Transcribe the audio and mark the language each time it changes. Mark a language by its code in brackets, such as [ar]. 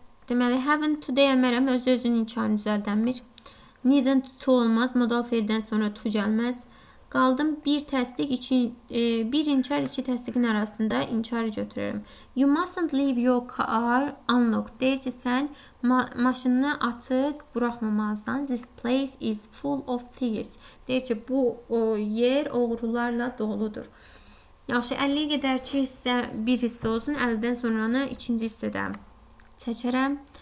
[az] Deməli, haven't to deyəmərəm, öz-özünün inkarını düzəldənmir. Neden tu olmaz? Modal fiildən sonra tu gəlməz. Qaldım bir təsdiq için, bir inkar iki təsdiqin arasında inkarı götürürüm. [en] You mustn't leave your car unlocked. [az] Deyir ki, sən maşını açıq buraxmamalısan. [en] This place is full of thieves. [az] Deyir ki, bu yer oğrularla doludur. Yaxşı, 50-yə qədər ki, hissə bir hissə olsun. 50-dən sonranı ikinci hissədə seçərəm.